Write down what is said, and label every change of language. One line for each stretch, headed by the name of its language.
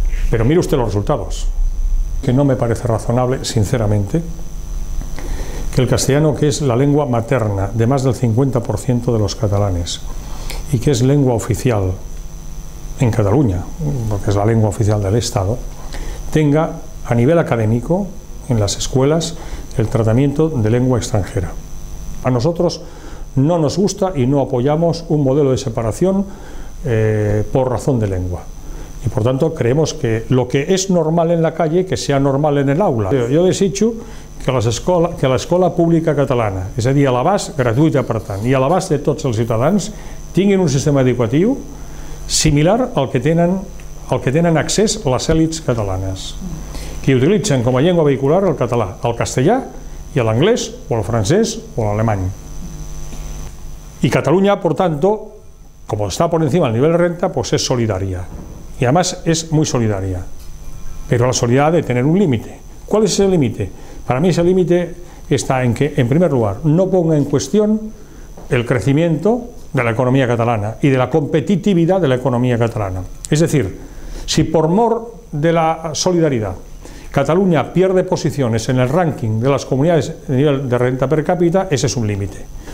Spanish: Pero mire usted los resultados. Que no me parece razonable, sinceramente, que el castellano, que es la lengua materna de más del 50% de los catalanes y que es lengua oficial en Cataluña, porque es la lengua oficial del Estado, tenga a nivel académico, en las escuelas, el tratamiento de lengua extranjera. A nosotros no nos gusta y no apoyamos un modelo de separación por razón de lengua. Y por tanto creemos que lo que es normal en la calle, que sea normal en el aula.
Catalan: Yo desecho que la escola pública catalana, es a dir, a l'abast gratuït per tant, i a l'abast de tots els ciutadans, tinguin un sistema educatiu similar al que tenen accés les élits catalanes, que utilitzen com a llengua vehicular el català, el castellà i l'anglès, o el francès, o l'alemany. I Catalunya, per tant, com està per encima del nivell de renta, doncs és solidària.
Spanish: Y además es muy solidaria, pero la solidaridad debe tener un límite. ¿Cuál es ese límite? Para mí ese límite está en que, en primer lugar, no ponga en cuestión el crecimiento de la economía catalana y de la competitividad de la economía catalana. Es decir, si por mor de la solidaridad Cataluña pierde posiciones en el ranking de las comunidades a nivel de renta per cápita, ese es un límite.